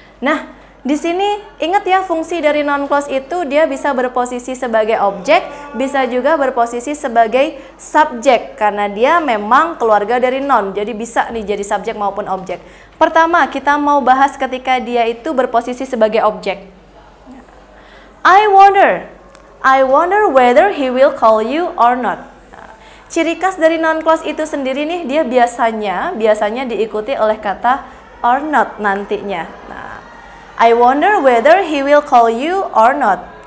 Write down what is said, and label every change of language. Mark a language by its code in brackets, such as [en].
[id] Nah, di sini ingat ya, fungsi dari non-clause itu dia bisa berposisi sebagai objek, bisa juga berposisi sebagai subjek karena dia memang keluarga dari non. Jadi bisa nih jadi subjek maupun objek. Pertama, kita mau bahas ketika dia itu berposisi sebagai objek. [en] I wonder whether he will call you or not. [id] Ciri khas dari non-clause itu sendiri nih, dia biasanya diikuti oleh kata or not nantinya. [en] Nah, I wonder whether he will call you or not.